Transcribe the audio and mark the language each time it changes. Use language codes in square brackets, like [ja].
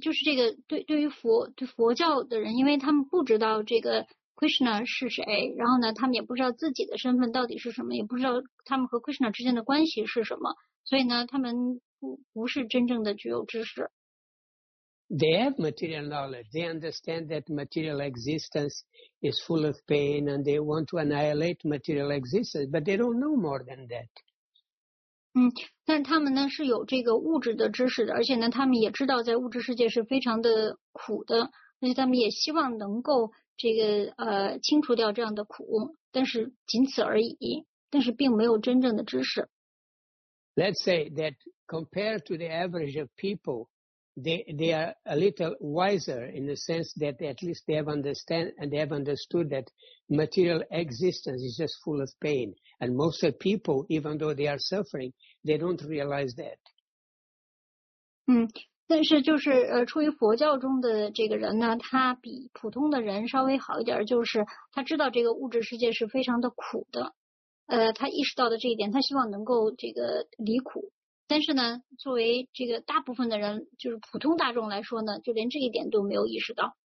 [zh] 就是这个对于佛教的人，因为他们不知道这个 Krishna 是谁，然后呢，他们也不知道自己的身份到底是什么，也不知道他们和 Krishna 之间的关系是什么，所以呢，他们不是真正的具有知识。 [en] They have material knowledge. They understand that material existence is full of pain, and they want to annihilate material existence. But they don't know more than that. [zh] 但他们呢是有这个物质的知识的，而且呢，他们也知道在物质世界是非常的苦的，而且他们也希望能够这个清除掉这样的苦，但是仅此而已，但是并没有真正的知识。 [en] Let's say that compared to the average of people, they are a little wiser in the sense that at least they have understand and they have understood that material existence is just full of pain. And most of people, even though they are suffering, they don't realize that. [zh] 但是就是出于佛教中的这个人呢，他比普通的人稍微好一点，就是他知道这个物质世界是非常的苦的，他意识到的这一点，他希望能够这个离苦。但是呢，作为这个大部分的人，就是普通大众来说呢，就连这一点都没有意识到。